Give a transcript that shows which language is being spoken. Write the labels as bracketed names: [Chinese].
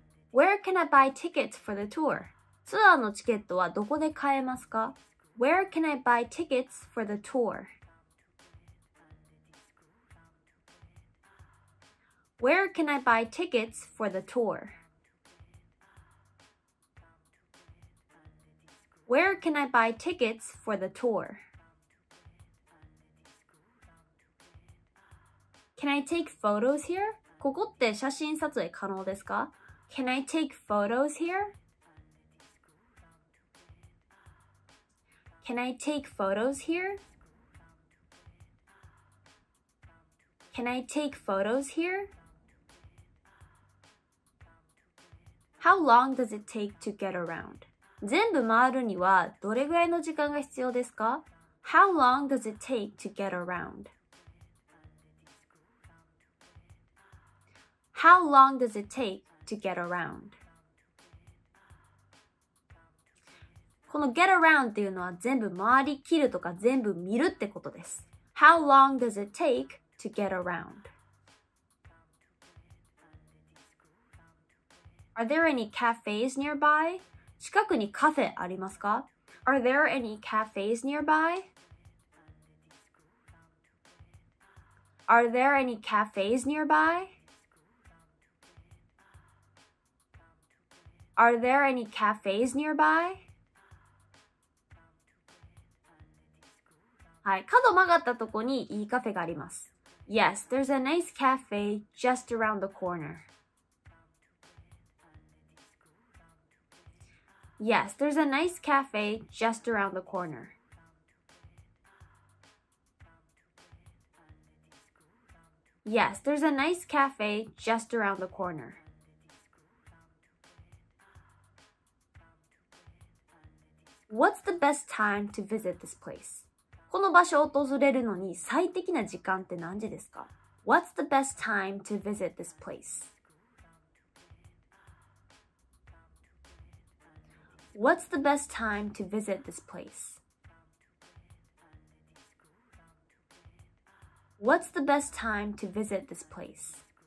[English] Where can I buy tickets for the tour? [Japanese] ツアーのチケットはどこで買えますか? [English] Where can I buy tickets for the tour? Where can I buy tickets for the tour? Where can I buy tickets for the tour? Can I take photos here? [Japanese] ここって写真撮影可能ですか? [English] Can I take photos here? Can I take photos here? Can I take photos here? How long does it take to get around? [Japanese] 全部回るにはどれぐらいの時間が必要ですか? [English] How long does it take to get around? How long does it take to get around? [Japanese] この get around っていうのは全部回りきるとか全部見るってことです。 [English] How long does it take to get around? Are there any cafes nearby? [Japanese] 近くにカフェありますか? [English] Are there any cafes nearby? Are there any cafes nearby? Are there any cafes nearby? [Japanese] はい、角曲がったとこにいいカフェがあります。 [English] Yes, there's a nice cafe just around the corner. Yes, there's a nice cafe just around the corner. Yes, there's a nice cafe just around the corner. What's the best time to visit this place? [Japanese] この場所を訪れるのに最適な時間って何時ですか? [English] What's the best time to visit this place? What's the best time to visit this place? What's the best time to visit this place?